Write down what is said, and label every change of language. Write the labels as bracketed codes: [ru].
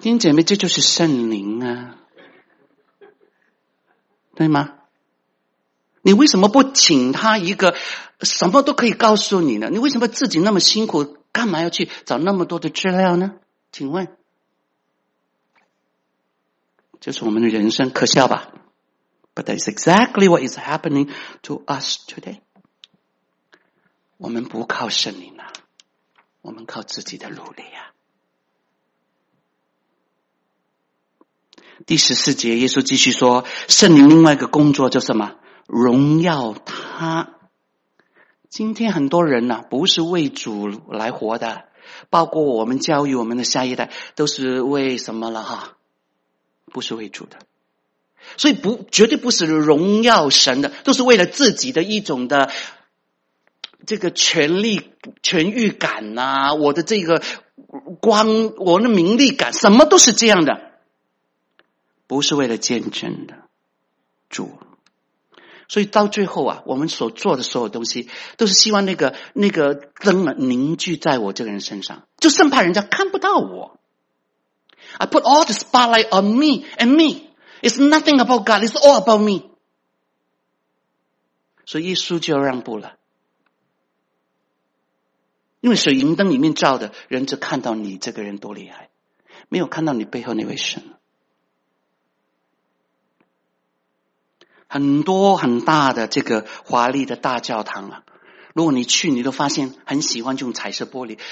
[zh] 弟兄姐妹，这就是圣灵啊，对吗？你为什么不请他一个什么都可以告诉你呢？你为什么自己那么辛苦，干嘛要去找那么多的资料呢？请问，就是我们的人生，可笑吧？ [en] But that is exactly what is happening to us today. [zh] 我们不靠圣灵啊，我们靠自己的努力啊。第十四节，耶稣继续说，圣灵另外一个工作叫什么？荣耀他。今天很多人啊，不是为主来活的，包括我们教育我们的下一代，都是为什么了哈？不是为主的，所以不，绝对不是荣耀神的，都是为了自己的一种的这个权力权欲感啊，我的这个光，我的名利感，什么都是这样的，不是为了见证的主。所以到最后啊，我们所做的所有东西都是希望那个灯凝聚在我这个人身上，就生怕人家看不到我。 [en] I put all the spotlight on me and me. It's nothing about God. It's all about me. [zh] 所以耶稣就要让步了，因为水银灯里面照的人只看到你这个人多厉害，没有看到你背后那位神。很多很大的这个华丽的大教堂啊，如果你去，你都发现很喜欢这种彩色玻璃。